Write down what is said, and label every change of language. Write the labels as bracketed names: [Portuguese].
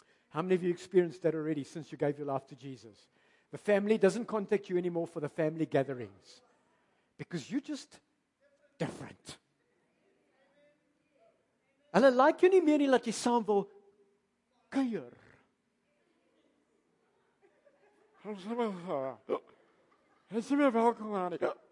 [English] How many of you experienced that already since you gave your life to Jesus? The family doesn't contact you anymore for the family gatherings because you're just different. [Afrikaans] Hulle like jou nie meer nie dat jy saam wil kuier. Ons is meer welkom aan die.